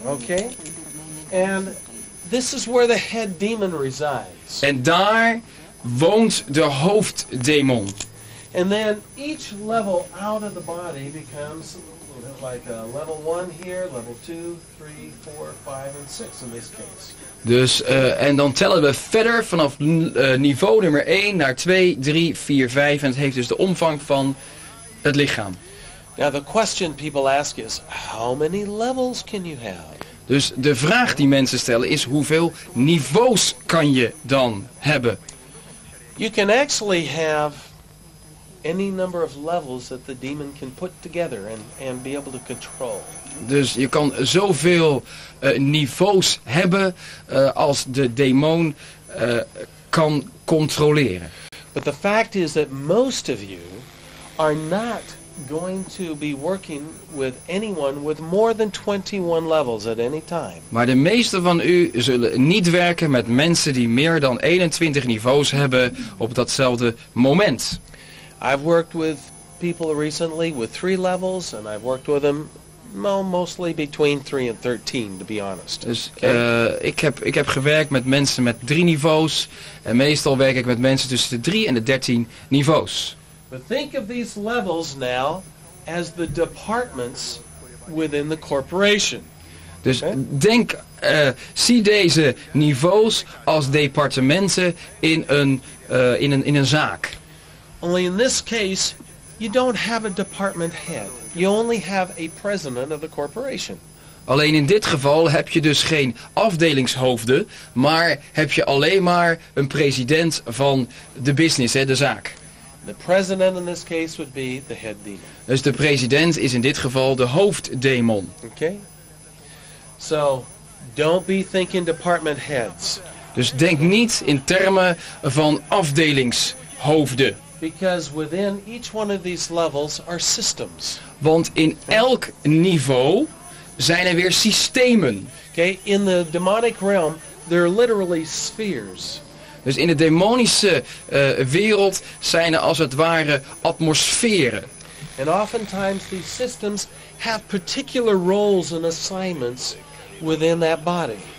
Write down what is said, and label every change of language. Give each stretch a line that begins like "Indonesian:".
Dutch: Oké.
English: And this is where the head demon resides.
Dutch: En daar woont de hoofddemon.
English: And then each level out of the body becomes like a level 1 here, level 2, 3, 4, 5 and 6 in this case.
Dutch: Dus en dan tellen we verder vanaf niveau nummer 1 naar 2, 3, 4, 5 en het heeft dus de omvang van het lichaam.
English: Now the question people ask is how many levels can you have?
Dutch: Dus de vraag die mensen stellen is hoeveel niveaus kan je dan hebben?
English: You can actually have any number of levels that the demon can put together and be able to control.
Dutch: Dus je kan zoveel niveaus hebben als de demon kan controleren.
English: But the fact is that most of you are not going to be working with anyone with more than 21 levels at any time.
Dutch: Maar de meeste van u zullen niet werken met mensen die meer dan 21 niveaus hebben op datzelfde moment.
English: I've worked with people recently with 3 levels and I've worked with them mostly between 3 and 13, to be honest.
Dutch: Dus ik heb gewerkt met mensen met 3 niveaus en meestal werk ik met mensen tussen de 3 en de 13 niveaus.
English: But think of these levels now as the departments within the corporation.
Dutch: Dus denk zie deze niveaus als departementen in een zaak.
English: Only in this case you don't have a department head. You only have a president of the corporation.
Dutch: Alleen in dit geval heb je dus geen afdelingshoofden, maar heb je alleen maar een president van de business, hè, de zaak.
English: The president in this case would be the head demon.
Dutch: Dus de president is in dit geval de hoofddemon.
English: Okay. So, don't be thinking department heads.
Dutch: Dus denk niet in termen van afdelingshoofden.
English: Because within each one of these levels are systems.
Dutch: Want in elk niveau zijn er weer systemen.
English: Okay, in the demonic realm there are literally spheres.
Dutch: Dus in de demonische wereld zijn er als het ware atmosferen.
English: And oftentimes these systems have particular roles and assignments within that body.